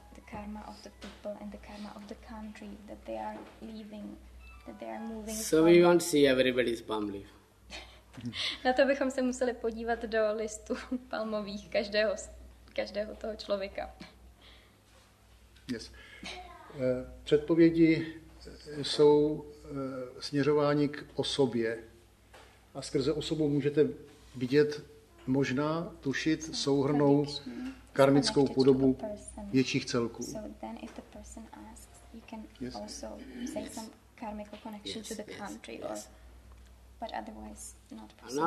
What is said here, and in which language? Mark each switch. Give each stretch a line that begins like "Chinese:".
English: Karma of the people and the karma of the country that they are leaving, that they are moving. So we want to see everybody's palm leaf.
Czech: Na to bychom se museli podívat do listu palmových každého toho člověka.
English: Yes.
Czech: Předpovědi jsou směřování k osobě. A skrze osobu můžete vidět, možná tušit souhrnou karmickou podobu větších celků.
English: So then if the person asks, you can also say some karmical connection to the country, but otherwise not possible.